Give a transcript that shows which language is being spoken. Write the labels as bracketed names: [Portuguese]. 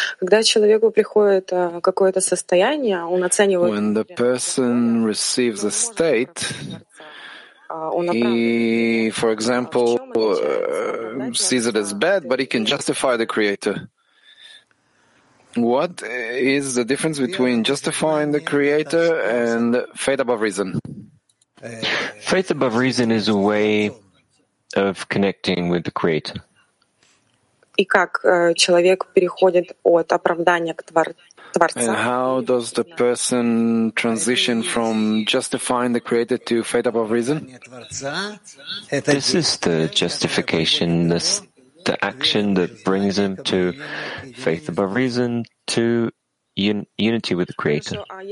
[Russian] Когда человеку приходит какое-то состояние, он оценивает. [English] When the person receives a state, he, for example, sees it as bad, but he can justify the creator. What is the difference between justifying the creator and faith above reason? Faith above reason is a way of connecting with the creator. [Russian] И как человек переходит от оправдания к Творцу? [English] And how does the person transition from justifying the creator to faith above reason? This is the justification, the action that brings him to faith above reason, to unity with the creator.